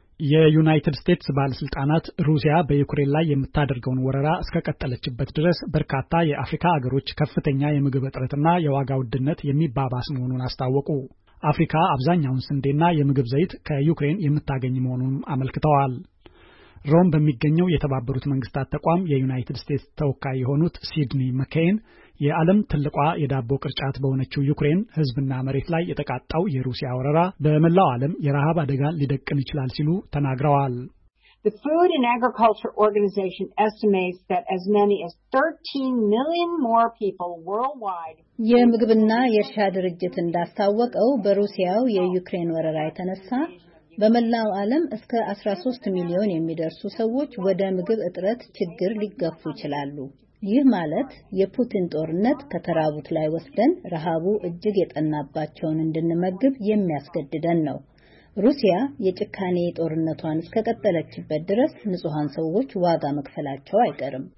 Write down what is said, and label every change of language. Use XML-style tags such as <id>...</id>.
<am>የዩናይትድ ስቴትስ ባለስልጣናት ሩሲያ በዩክሬን ላይ የምታደርገውን ወረራ እስከቀጠለችበት ድረስ በርካታ የአፍሪካ አገሮች ከፍተኛ የምግብ እጥረትና የዋጋ ውድነት የሚባባስ መሆኑን አስታወቁ። አፍሪካ አብዛኛውን ስንዴና የምግብ ዘይት ከዩክሬን የምታገኝ መሆኑን አመልክተዋል። ሮም በሚገኘው የተባበሩት መንግስታት ተቋም የዩናይትድ ስቴትስ ተወካይ የሆኑት ሲድኒ መኬን የዓለም ትልቋ የዳቦ ቅርጫት በሆነችው ዩክሬን ህዝብና መሬት ላይ የተቃጣው የሩሲያ ወረራ በመላው ዓለም የረሃብ አደጋ ሊደቅን ይችላል ሲሉ ተናግረዋል።</am> <en>The Food and Agriculture Organization estimates that as many as 13 million more people worldwide.</en> <am>የምግብና የእርሻ ድርጅት እንዳስታወቀው በሩሲያው የዩክሬን ወረራ የተነሳ በመላው ዓለም እስከ 13 ሚሊዮን የሚደርሱ ሰዎች ወደ ምግብ እጥረት ችግር ሊገፉ ይችላሉ። ይህ ማለት የፑቲን ጦርነት ከተራቡት ላይ ወስደን ረሃቡ እጅግ የጠናባቸውን እንድንመግብ የሚያስገድደን ነው። ሩሲያ የጭካኔ ጦርነቷን እስከቀጠለችበት ድረስ ንጹሃን ሰዎች ዋጋ መክፈላቸው አይቀርም።</am>